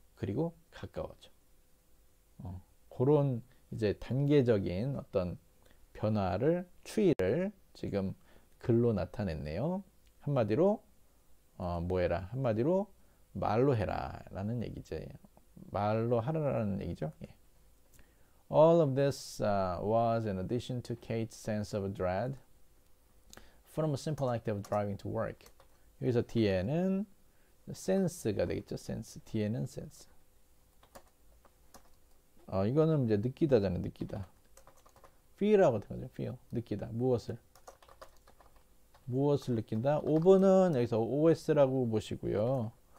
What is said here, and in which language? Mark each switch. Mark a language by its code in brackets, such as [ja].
[ko] 그리고 가까워져. 그런 이제 단계적인 어떤 변화를, 추이를 지금 글로 나타냈네요. 한마디로 뭐해라. 한마디로 말로 해라라는 얘기죠. 말로 하라라는 얘기죠. 예. [en] All of this was in addition to Kate's sense of dread from a simple act of driving to work. [ko] 여기서 뒤에는 센스가 되겠죠. 센스. 뒤에는 센스. 이거는 이제 느끼다잖아요. 느끼다. feel하고 같은 거죠. feel. 느끼다. 무엇을 느낀다? of는 여기서 os라고 보시고요.